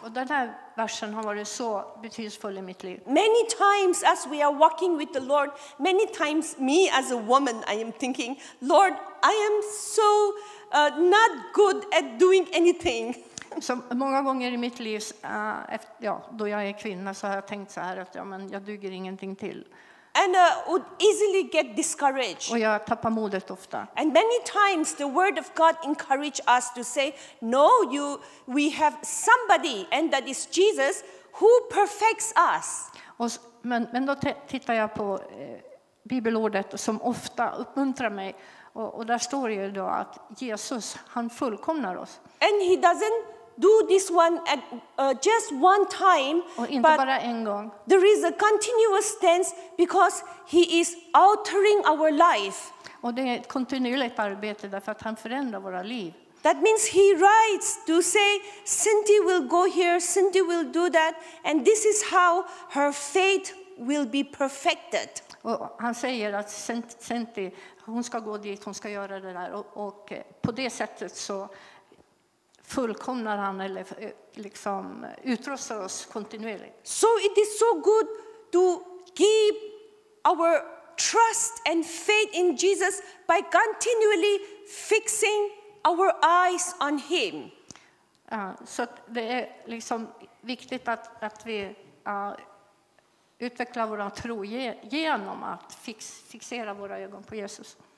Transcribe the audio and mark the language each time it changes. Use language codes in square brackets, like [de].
[sv] Och den här versen har varit så betydelsefull i mitt liv. [en] Many times as we are walking with the Lord, many times me as a woman, I am thinking, Lord, I am so not good at doing anything. [sv] Så många gånger i mitt liv, då jag är kvinna, så har jag tänkt så här, att ja, men jag duger ingenting till. [en] And would easily get discouraged. [sv] Och jag tappar modet ofta. [en] And many times the word of God encourage us to say, no, we have somebody, and that is Jesus, who perfects us. [sv] Men då tittar jag på bibelordet som ofta uppmuntrar mig, och där står ju då att Jesus, han fullkomnar oss. [en] And he doesn't do this one at just one time, [sv] och inte but bara en gång. [en] There is a continuous tense because he is altering our life. [sv] Och det är ett kontinuerligt arbete därför att han förändrar våra liv. [en] That means he writes to say, Cindy will go here, Cindy will do that, and this is how her faith will be perfected. [sv] Och han säger att Cindy, hon ska gå dit, hon ska göra det där, och på det sättet så fullkomnar han eller liksom utrustar oss kontinuerligt. [en] So it is so good to keep our trust and faith in Jesus by continually fixing our eyes on him. [sv] Så det är liksom viktigt att vi utvecklar våra tro genom att fixera våra ögon på Jesus.